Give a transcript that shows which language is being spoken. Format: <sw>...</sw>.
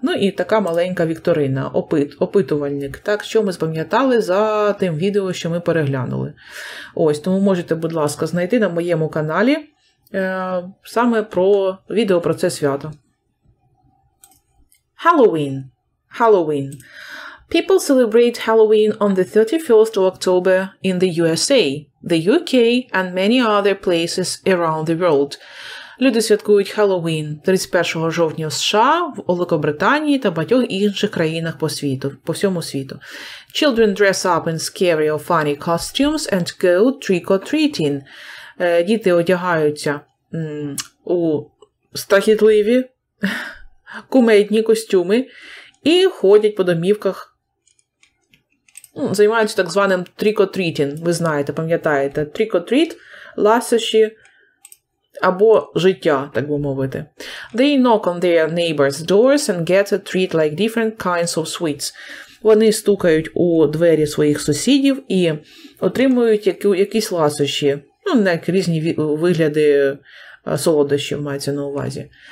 <uk>Ну і така маленька вікторина, опитувальник, так, що ми запам'ятали за тим відео, що ми переглянули. Ось, тому можете, будь ласка, знайти на моєму каналі саме про відео про це свято.</uk> <en>Halloween. Halloween. People celebrate Halloween on the 31st of October in the USA, the UK and many other places around the world.</en> <uk>Люди святкують Halloween 31 жовтня в США, в Великобританії та багатьох інших країнах по світу, по всьому світу.</uk> <en>Children dress up in scary or funny costumes and go trick-or-treating.</en> <uk>Діти одягаються у страхітливі кумедні костюми і ходять по домівках. Займаються так званим trick-or-treating, ви знаєте, пам'ятаєте. Trick-or-treat, ласощі або життя, так би мовити.</uk> <en>They knock on their neighbor's doors and get a treat like different kinds of sweets.</en> <uk>Вони стукають у двері своїх сусідів і отримують якісь ласощі. Ну, навіть різні вигляди солодощів мається на увазі.</uk>